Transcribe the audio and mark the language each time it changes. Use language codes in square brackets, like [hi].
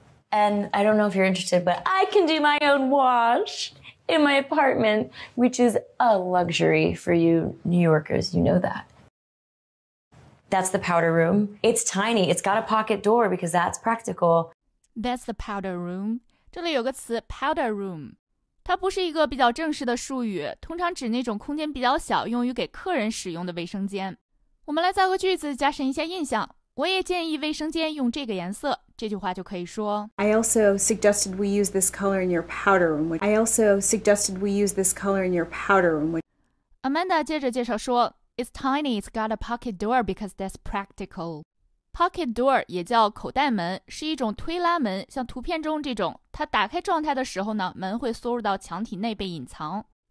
[en] And I don't know if you're interested, but I can do my own wash in my apartment, which is a luxury for you New Yorkers. You know that. That's the powder room. It's tiny. It's got a pocket door because that's practical. That's the powder room. [zh] 这里有个词 [en] powder room。 [zh] 它不是一个比较正式的术语，通常指那种空间比较小，用于给客人使用的卫生间。我们来造个句子，加深一下印象。我也建议卫生间用这个颜色。这句话就可以说 [en] ：I also suggested we use this color in your powder room. I also suggested we use this color in your powder room. [zh] Amanda 接着介绍说 ： [en] “It's tiny. It's got a pocket door because that's practical. [zh] Pocket door 也叫口袋门，是一种推拉门，像图片中这种。” 它打开状态的时候呢，门会缩入到墙体内被隐藏。